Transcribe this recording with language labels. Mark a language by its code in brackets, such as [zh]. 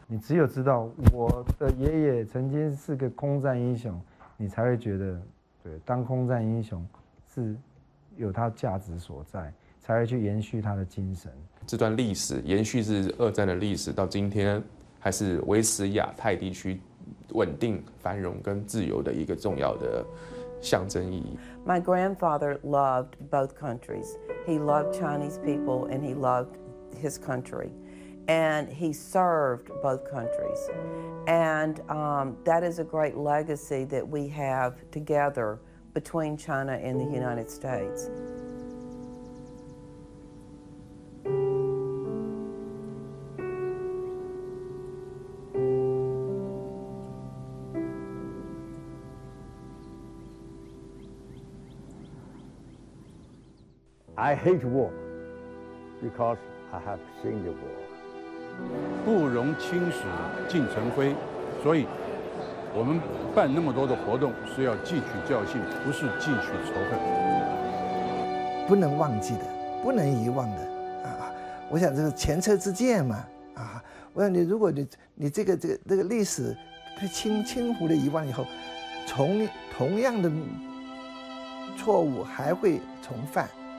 [zh] 你只有知道我的爷爷曾经是个空战英雄，你才会觉得，对，当空战英雄是有它价值所在，才会去延续它的精神。这段历史延续是二战的历史，到今天还是维持亚太地区稳定、繁荣跟自由的一个重要的象征意义。 [en] My grandfather loved both countries. He loved Chinese people and he loved his country. And he served both countries. And that is a great legacy that we have together between China and the United States. I hate war because I have seen the war. [zh] 不容青史尽成灰，所以我们办那么多的活动是要汲取教训，不是汲取仇恨。不能忘记的，不能遗忘的啊！我想这是前车之鉴嘛啊！我想你，如果你这个历史被轻忽的遗忘以后，同样的错误还会重犯。